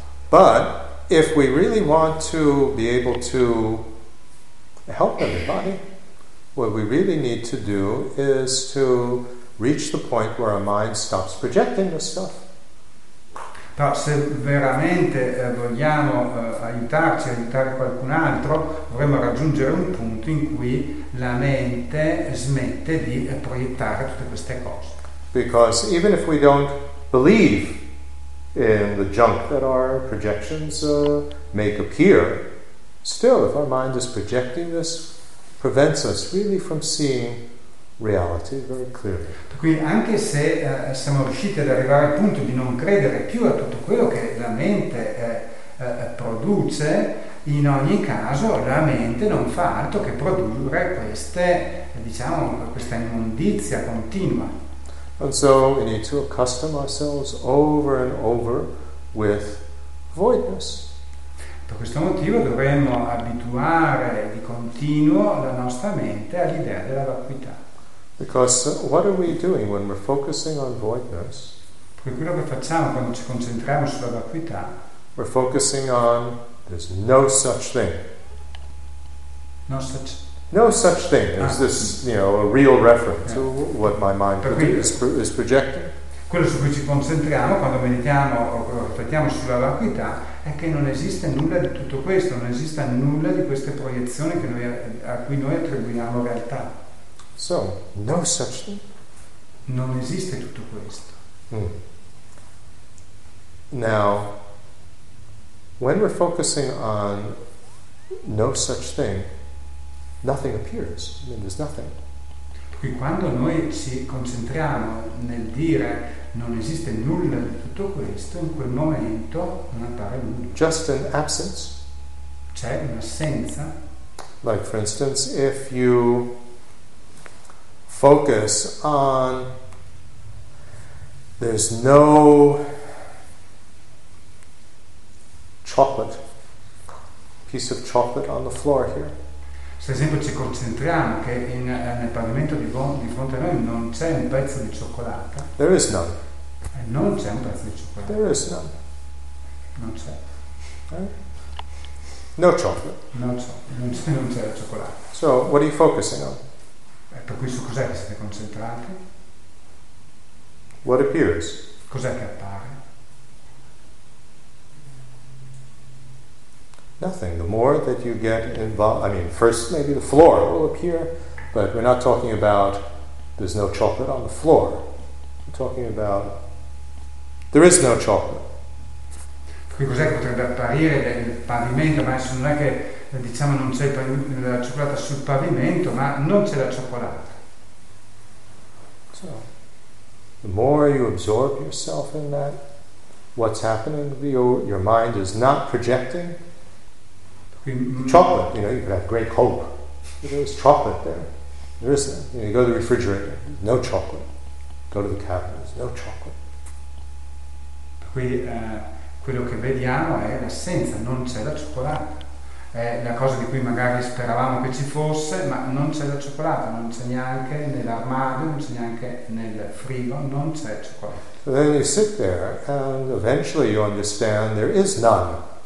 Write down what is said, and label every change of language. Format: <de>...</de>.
<en>But if we really want to be able to help everybody, what we really need to do is to reach the point where our mind stops projecting this stuff.</en> <it>Però se veramente vogliamo aiutarci, aiutare qualcun altro, dovremmo raggiungere un punto in cui la mente smette di proiettare tutte queste cose.</it> <en>Because even if we don't believe in the junk that our projections make appear, still if our mind is projecting this, prevents us really from seeing reality very clearly.</en> <it>Qui, anche se siamo riusciti ad arrivare al punto di non credere più a tutto quello che la mente produce, in ogni caso la mente non fa altro che produrre queste, diciamo, questa immondizia continua.</it> <en>And so we need to accustom ourselves over and over with voidness.</en> <it>Per questo motivo dovremmo abituare di continuo la nostra mente all'idea della vacuità.</it> <en>Because what are we doing when we're focusing on voidness?</en> <it>Perché quello che facciamo quando ci concentriamo sulla vacuità?</it> <en>We're focusing on there's no such thing. No such thing. Is this, a real reference to what my mind is projecting?</en> <it>Quello su cui ci concentriamo quando meditiamo o riflettiamo sulla vacuità è che non esiste nulla di tutto questo, non esiste nulla di queste proiezioni che noi, a cui noi attribuiamo realtà.</it> <en>So, no such thing.</en> <it>Non esiste tutto questo.</it> <en>Now, when we're focusing on no such thing, nothing appears. I mean, there's nothing.</en> <it>Qui quando noi ci concentriamo nel dire non esiste nulla di tutto questo, in quel momento non appare nulla.</it> <en>Just an absence.</en> <it>C'è un'assenza.</it> <en>Like for instance, if you focus on there's no chocolate, piece of chocolate on the floor here.</en> <it>Se ad esempio ci concentriamo che nel pavimento di fronte a noi non c'è un pezzo di cioccolata.</it> <en>There is none.</en> <it>E non c'è un pezzo di cioccolata.</it> <en>There is none.</en> <it>Non c'è.</it> <en>No chocolate.</en> <it>Non c'è la cioccolata.</it> <en>So, what are you focusing on?</en> <it>E per cui su cos'è che siete concentrati?</it> <en>What appears?</en> <it>Cos'è che appare?</it> <en>Nothing. The more that you get involved, first maybe the floor will appear, but we're not talking about there's no chocolate on the floor. We're talking about there is no chocolate.</en> <it>Qui cos'è che potrebbe apparire del pavimento, ma adesso non è che diciamo non c'è la cioccolata sul pavimento, ma non c'è la cioccolata.</it> <en>So, the more you absorb yourself in that, what's happening? Your mind is not projecting chocolate. You know, you could have great hope, but there's chocolate there. There isn't. You know, you go to the refrigerator, no chocolate. Go to the cabinet, there's no chocolate.</en> <it>Quello che vediamo è l'assenza, non c'è la cioccolata. È la cosa di cui magari speravamo che ci fosse, ma non c'è la cioccolata, non c'è neanche nell'armadio, non c'è neanche nel frigo, non c'è cioccolata.</it> <en>Then you sit there and eventually you understand there is none.</en>